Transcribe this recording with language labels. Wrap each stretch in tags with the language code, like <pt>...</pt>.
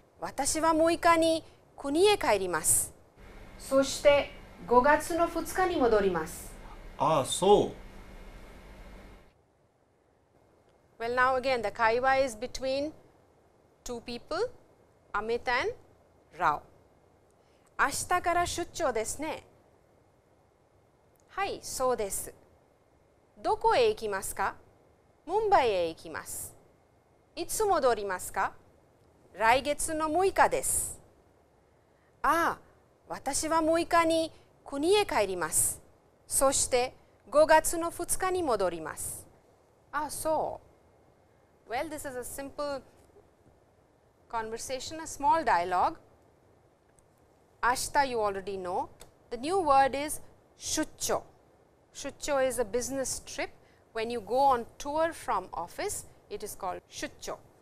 <ja>私は6日に国へ帰ります。そして5月の2日に戻ります。ああ、そう。</ja> <en>Well, now again, the 会話 is between two people, Amit and Rao.</en> <ja>明日から出張ですね。はい、そうです。どこへ行きますか？ムンバイへ行きます。いつ戻りますか？来月の6日です。ああ、私は6日に国へ帰ります。そして5月の2日に戻ります。ああ、そう。</ja> <en>Well, this is a simple conversation, a small dialogue. Ashita, you already know. The new word is shuchō. Shuchō is a business trip. When you go on tour from office, it is called shuchō.</en>